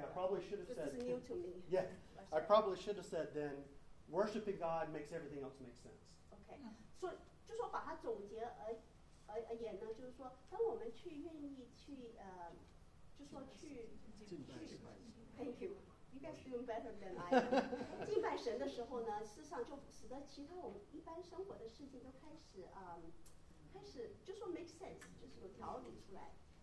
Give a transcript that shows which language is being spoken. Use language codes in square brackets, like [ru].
[en] I probably should have said. This is new to me. Yeah, I probably should have said then, worshiping God makes everything else make sense. Okay. [zh] So, 就说把它总结而言呢，就是说，当我们去愿意去就说去敬拜神。 [en] Thank you. You guys doing better than I am. [zh] 敬拜神的时候呢，事实上就使得其他我们一般生活的事情都开始就说 [en] make sense， [zh] 就是有条理出来。